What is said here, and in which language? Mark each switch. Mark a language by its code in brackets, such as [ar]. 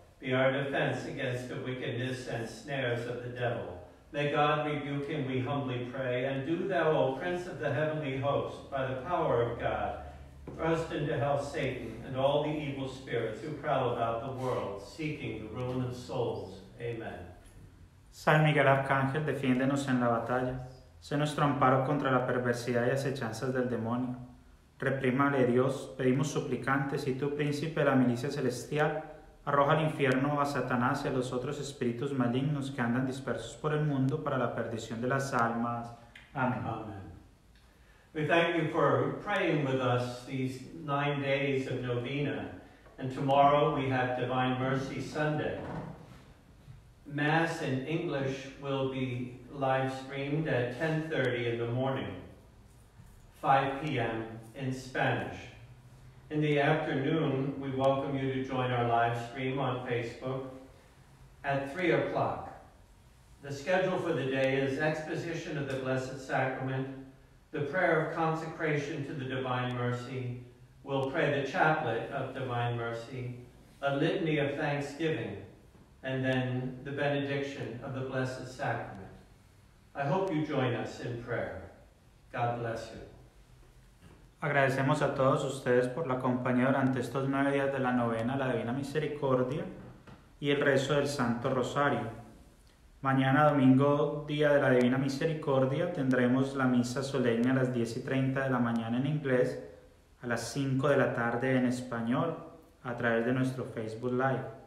[en] Be our defense against the wickedness and snares of the devil. May God rebuke him, we humbly pray, and do thou, O Prince of the Heavenly Host, by the power of God, thrust into hell Satan and all the evil spirits who prowl about the world, seeking the ruin of souls. Amen. [es] San Miguel Arcángel, defiéndenos en la batalla. Sé nuestro amparo contra la perversidad y acechanzas del demonio. Reprímale, Dios, pedimos suplicantes, y tú, príncipe de la milicia celestial, arroja al infierno a Satanás y a los otros espíritus malignos que andan dispersos por el mundo para la perdición de las almas. Amén. [en] Amen. We thank you for praying with us these 9 days of Novena, and tomorrow we have Divine Mercy Sunday. Mass in English will be live streamed at 10:30 in the morning, 5 p.m. in Spanish. In the afternoon, we welcome you to join our live stream on Facebook at 3 o'clock. The schedule for the day is Exposition of the Blessed Sacrament, the Prayer of Consecration to the Divine Mercy, we'll pray the Chaplet of Divine Mercy, a Litany of Thanksgiving, and then the Benediction of the Blessed Sacrament. I hope you join us in prayer. God bless you. [es] Agradecemos a todos ustedes por la compañía durante estos 9 días de la novena a la Divina Misericordia y el rezo del Santo Rosario. Mañana domingo, día de la Divina Misericordia, tendremos la misa solemne a las 10:30 de la mañana en inglés, a las 5 de la tarde en español, a través de nuestro Facebook Live.